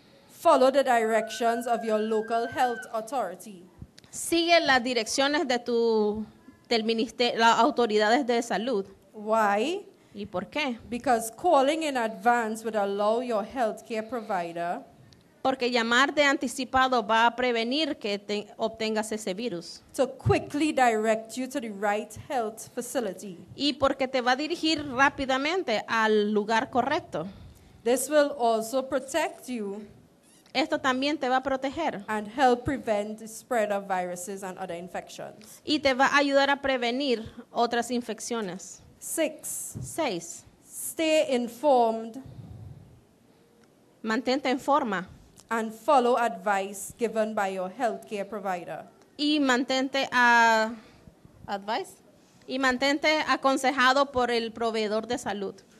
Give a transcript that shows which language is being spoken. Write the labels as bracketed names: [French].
[English] Follow the directions of your local health authority. [Spanish] Sigue las direcciones de las autoridades de salud. [English] Why? [Spanish] ¿Y por qué? [English] Because calling in advance would allow your healthcare provider. [Spanish] Porque llamar de anticipado va a prevenir que obtengas ese virus. [English] To quickly direct you to the right health facility. [Spanish] Y porque te va a dirigir rápidamente al lugar correcto. [English] This will also protect you. [Spanish] Esto también te va a proteger. [English] And help prevent the spread of viruses and other infections. [Spanish] Y te va a ayudar a prevenir otras infecciones. [English] 6. Stay informed. [Spanish] Mantente en forma. [English] And follow advice given by your healthcare provider. [Spanish] Y mantente aconsejado por el proveedor de salud.